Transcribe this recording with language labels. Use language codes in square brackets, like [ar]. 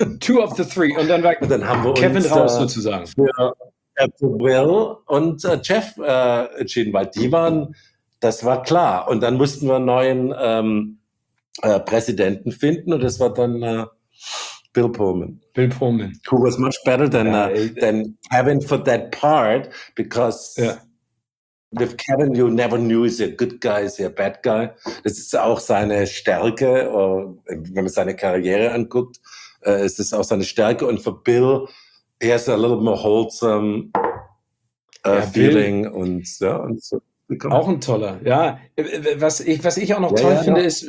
[en] Two of the three. [de] Und dann war und dann haben wir Kevin uns, raus sozusagen. Für Will und Jeff entschieden, weil die waren, das war klar. Und dann mussten wir einen neuen Präsidenten finden und das war dann Bill Pullman. Bill Pullman. [en] Who was much better than Kevin for that part, because... Yeah. With Kevin, you never knew, is he a good guy, is he a bad guy. [de] Das ist auch seine Stärke, wenn man seine Karriere anguckt, ist das auch seine Stärke. Und für Bill, [en] he has a little more wholesome feeling. Bill. [de] Und so. Auch ein toller, ja. Was ich auch noch toll finde, ist...